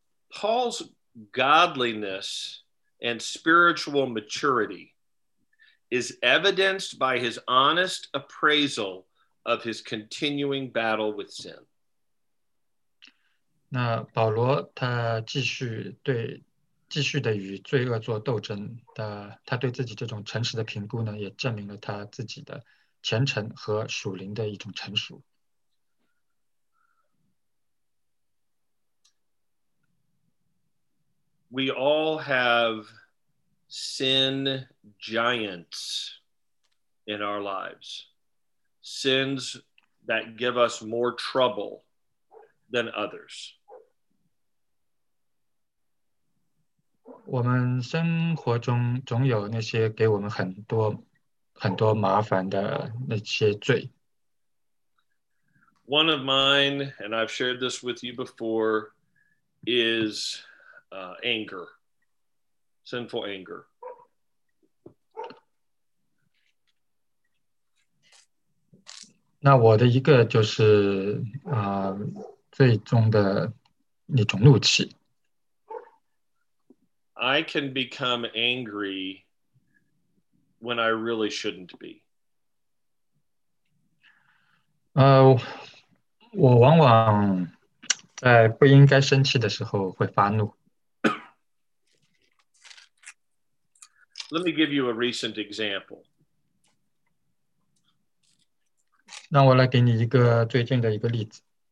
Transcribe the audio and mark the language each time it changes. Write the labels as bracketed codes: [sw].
[en] Paul's godliness and spiritual maturity is evidenced by his honest appraisal of his continuing battle with sin. [zh] 那保罗他继续的与罪恶做斗争的，他对自己这种诚实的评估呢，也证明了他自己的虔诚和属灵的一种成熟。 [en] We all have sin giants in our lives. Sins that give us more trouble than others. [zh] 我们生活中总有那些给我们很多麻烦的那些罪。 [en] One of mine, and I've shared this with you before, is anger, sinful anger. [zh] That 我的一个就是最终的那种怒气。 [en] I can become angry when I really shouldn't be. [zh] 我往往在不应该生气的时候会发怒。 [en] Let me give you a recent example. [zh] 让我来给你一个最近的一个例子。